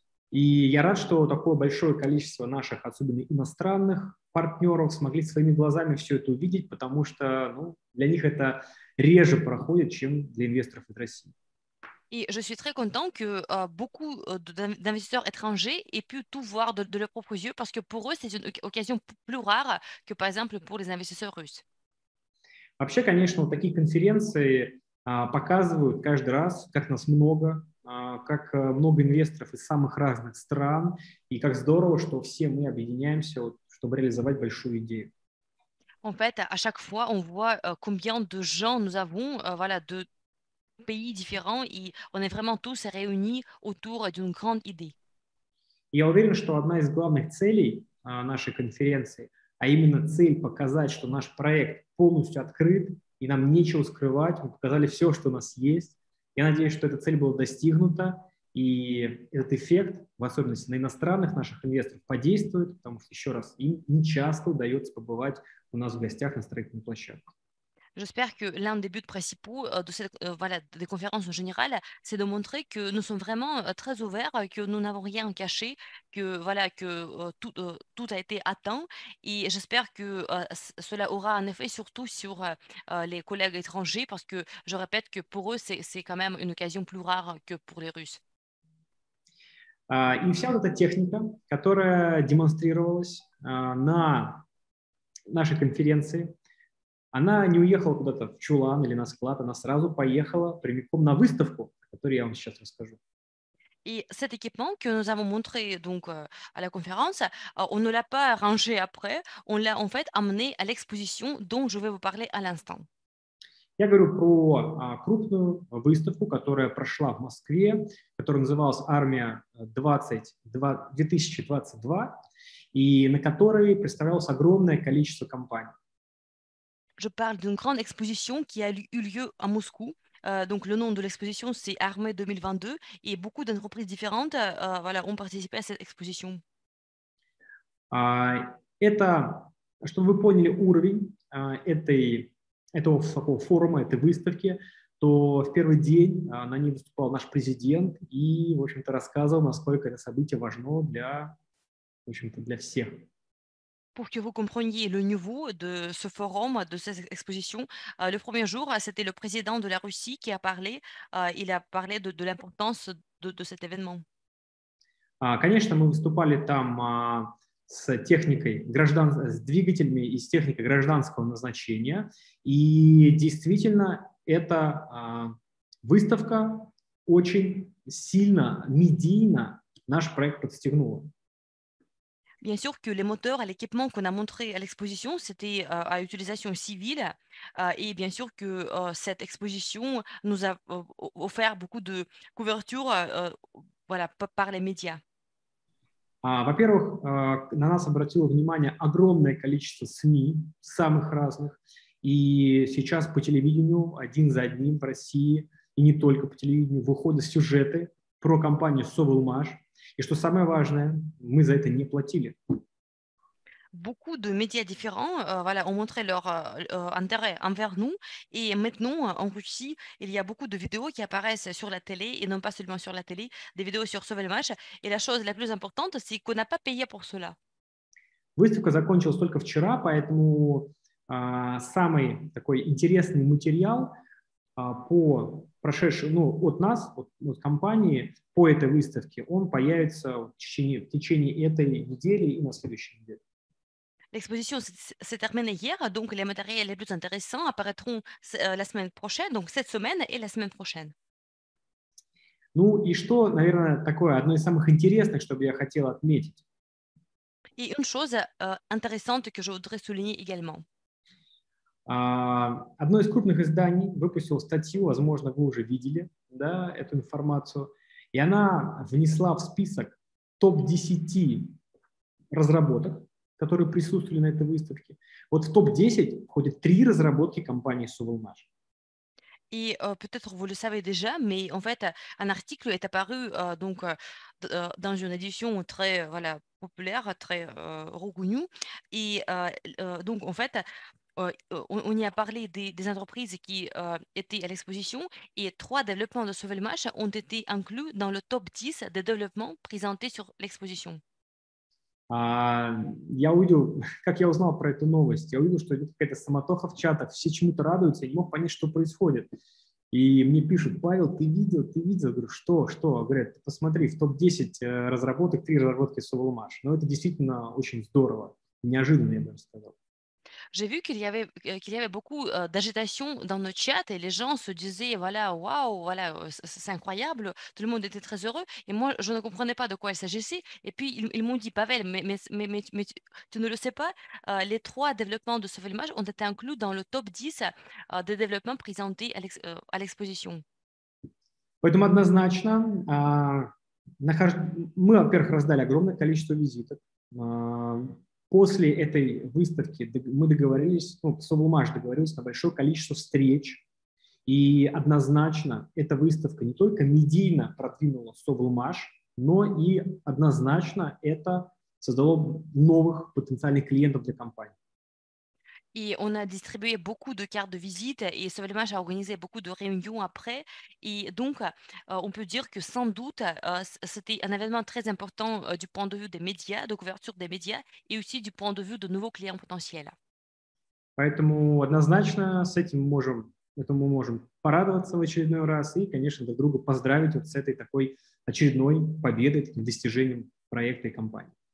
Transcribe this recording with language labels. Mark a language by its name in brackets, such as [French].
[Russian] И я рад, что такое большое количество наших, особенно иностранных партнеров, смогли своими глазами все это увидеть, потому что, ну, для них это реже проходит, чем для инвесторов из России. [French] И je suis très content que beaucoup d'investisseurs étrangers aient pu tout voir de leurs propres yeux, parce que pour eux c'est une occasion plus rare que, par exemple, pour les investisseurs russes. [Russian] Вообще, конечно, такие конференции показывают каждый раз, как нас много. Как много инвесторов из самых разных стран, и как здорово, что все мы объединяемся, чтобы реализовать большую идею. [French] En fait, à chaque fois, on voit combien de gens nous avons, voilà, de pays différents, et on est vraiment tous réunis autour d'une grande idée. [Russian] Я уверен, что одна из главных целей нашей конференции, а именно цель показать, что наш проект полностью открыт, и нам нечего скрывать, мы показали все, что у нас есть. Я надеюсь, что эта цель была достигнута, и этот эффект, в особенности на иностранных наших инвесторов, подействует, потому что, еще раз, им не часто удается побывать у нас в гостях на строительных площадках. [French] J'espère que l'un des buts principaux de cette voilà des conférences en général, c'est de montrer que nous sommes vraiment très ouverts, que nous n'avons rien caché, que voilà que tout a été atteint, et j'espère que cela aura un effet surtout sur les collègues étrangers, parce que je répète que pour eux c'est quand même une occasion plus rare que pour les Russes. [Russian] И вся эта техника, которая демонстрировалась на нашей конференции. Она не уехала куда-то в чулан или на склад, она сразу поехала прямиком на выставку, о которой я вам сейчас расскажу. И этот экипмент, который мы вам показали на конференции, мы не его рангировали [French] après, [Russian] мы его, в [French] fait, amené à l'exposition, dont je vais vous parler à l'instant. [Russian] Я говорю про крупную выставку, которая прошла в Москве, которая называлась «Армия 2022», и на которой представлялось огромное количество компаний. [French] Je parle d'une grande exposition qui a eu lieu à Moscou. Donc le nom de l'exposition, c'est Armée 2022. Et beaucoup d'entreprises différentes voilà, ont participé à cette exposition. [Russian] Это, чтобы вы поняли уровень этого такого форума, этой выставки, то в первый день на ней выступал наш президент и, в общем-то, рассказывал, насколько это событие важно для, в общем-то, для всех. [French] Pour que vous compreniez le niveau de ce forum, de cette exposition, le premier jour, c'était le président de la Russie qui a parlé. Il a parlé de l'importance de cet événement. [Russian] Конечно, мы выступали там с техникой с двигателями и с техникой гражданского назначения. И действительно, эта выставка очень сильно медийно наш проект подстегнула. [French] Bien sûr que les moteurs et l'équipement qu'on a montré à l'exposition, c'était à utilisation civile. Et bien sûr que cette exposition nous a offert beaucoup de couverture voilà, par les médias. [Russian] Во-первых, на нас обратило внимание огромное количество СМИ самых разных, и сейчас по телевидению один за одним в России, и не только по телевидению, выходят сюжеты про компанию Sovelmash. И что самое важное, мы за это не платили. [French] Beaucoup de médias différents voilà, ont montré leur intérêt envers nous. Et maintenant, en Russie, il y a beaucoup de vidéos qui apparaissent sur la télé, et non pas seulement sur la télé, des vidéos sur Sovelmash. Et la chose la plus importante, c'est qu'on n'a pas payé pour cela. [Russian] Выставка закончилась только вчера, поэтому самый такой интересный материал по прошедшему, ну, от нас, от компании, по этой выставке, он появится в течение этой недели и на следующей неделе. [French] L'exposition s'est terminée hier, donc les matériels les plus intéressants apparaîtront la semaine prochaine, donc cette semaine et la semaine prochaine. [Russian] Ну и что, наверное, такое одно из самых интересных, чтобы я хотел отметить? [French] Et une chose intéressante que je voudrais souligner également. [Russian] Одно из крупных изданий выпустило статью, возможно, вы уже видели, да, эту информацию, и она внесла в список топ-10 разработок, которые присутствовали на этой выставке. Вот в топ-10 входят три разработки компании Sovelmash. [French] И, peut-être vous le savez déjà, mais en fait, un article est apparu donc dans une édition très voilà populaire, très reconnue. Et donc en fait, on y a parlé des entreprises qui étaient à l'exposition et trois développements de Sovelmash ont été inclus dans le top 10 des développements présentés sur l'exposition. [Russian] Я увидел, как я узнал про эту новость, я увидел, что идет какая-то суматоха в чатах, все чему-то радуются, я не мог понять, что происходит. И мне пишут: Павел, ты видел? Я говорю, что? Говорят, посмотри, в топ-10 разработок, 3 разработки Sovelmash. Ну, это действительно очень здорово, неожиданно, я бы сказал. [French] J'ai vu qu'il y avait beaucoup d'agitation dans notre chat et les gens se disaient voilà waouh voilà c'est incroyable, tout le monde était très heureux et moi je ne comprenais pas de quoi il s'agissait et puis ils m'ont dit Pavel mais tu ne le sais pas, les trois développements de Sovelmash ont été inclus dans le top 10 des développements présentés à l'exposition. [Russian] Поэтому однозначно мы, во-первых, раздали огромное количество визиток. После этой выставки мы договорились, ну, Sovelmash договорился на большое количество встреч, и однозначно эта выставка не только медийно продвинула Sovelmash, но и однозначно это создало новых потенциальных клиентов для компании. [French] И on a distribué beaucoup de cartes de visite et Sovelmash a organisé beaucoup de réunions après. Et donc, on peut dire que sans doute, c'était un événement très important du point de vue des médias, de couverture des médias et aussi du point de vue de nouveaux clients potentiels. [Russian] Поэтому однозначно с этим мы можем порадоваться в очередной раз и, конечно, друг друга поздравить вот с этой такой очередной победой, таким достижением проекта и компании.